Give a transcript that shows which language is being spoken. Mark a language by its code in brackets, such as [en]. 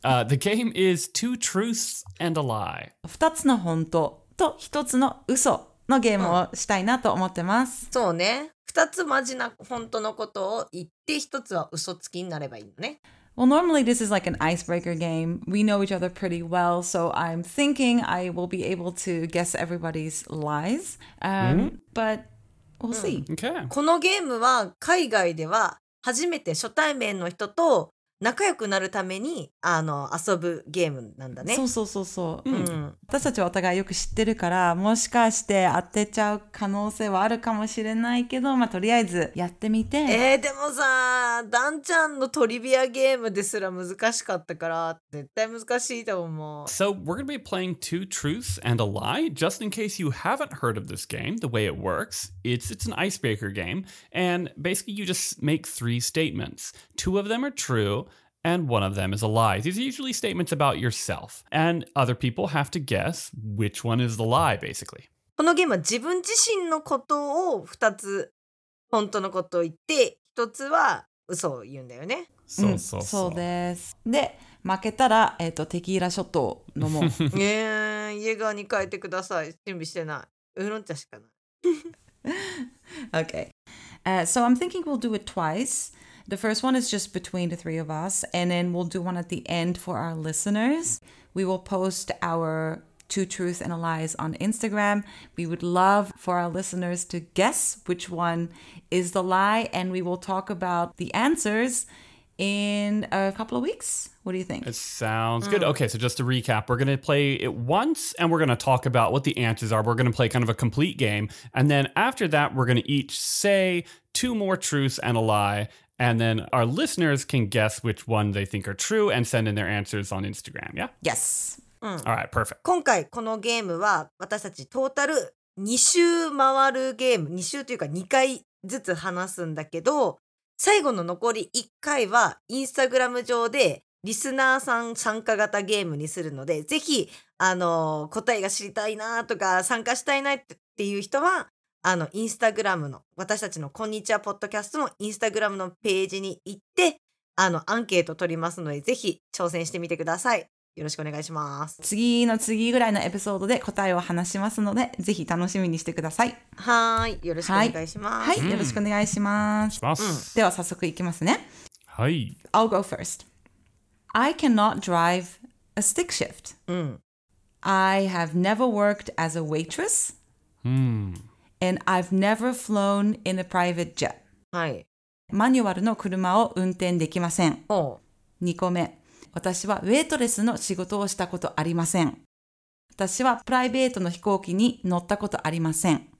[en] The game is Two Truths and a Lie. [ja] 二つの本当と一つの嘘のゲームをしたいなと思ってます。そうね。二つマジな本当のことを言って一つは嘘つきになればいいのね。 [en] Well, normally this is like an icebreaker game. We know each other pretty well, so I'm thinking I will be able to guess everybody's lies. But... We'll see. [ja] このゲームは海外では初めて初対面の人と仲良くなるために遊ぶゲームなんだね。そう。私たちはお互いよく知ってるから、もしかして当てちゃう可能性はあるかもしれないけど、まあとりあえずやってみて。でもさ、ダンちゃんのトリビアゲームですら難しかったから、絶対難しいと思う。 [en] So we're going to be playing Two Truths and a Lie. Just in case you haven't heard of this game, the way it works, it's an icebreaker game, and basically you just make three statements. Two of them are true. And one of them is a lie. These are usually statements about yourself. And other people have to guess which one is the lie, basically. [ja] このゲームは自分自身のことを2つ本当のことを言って、1つは嘘を言うんだよね。そう。そうです。で、負けたら、テキーラショットを飲もう。家側に帰ってください。準備してない。ウーロン茶しかない。 [en] Okay. So I'm thinking we'll do it twice. The first one is just between the three of us, and then we'll do one at the end for our listeners. We will post our two truths and a lies on Instagram. We would love for our listeners to guess which one is the lie, and we will talk about the answers in a couple of weeks. What do you think? It sounds good. Okay, so just to recap, we're going to play it once, and we're going to talk about what the answers are. We're going to play kind of a complete game, and then after that, we're going to each say two more truths and a lie,And then our listeners can guess which one they think are true and send in their answers on Instagram, yeah? Yes.、 All right, perfect. [ja] 今回このゲームは私たちトータル2周回るゲーム、2周というか2回ずつ話すんだけど、最後の残り1回はインスタグラム上でリスナーさん参加型ゲームにするので、ぜひ、答えが知りたいなとか参加したいなっていう人は、インスタグラムの私たちのこんにちはポッドキャストのインスタグラムのページに行ってアンケート取りますのでぜひ挑戦してみてください。よろしくお願いします。次の次ぐらいのエピソードで答えを話しますのでぜひ楽しみにしてください。はい、よろしくお願いします。はい、よろしくお願いします。では早速いきますね。はい。 [en] I'll go first. I cannot drive a stick shift. I have never worked as a waitress. Hmm. And I've never flown in a private jet. [ja] はい。マニュアルの車を運転できません。お。 2個目。私はウェイトレスの仕事をしたことありません。私はプライベートの飛行機に乗ったことありません。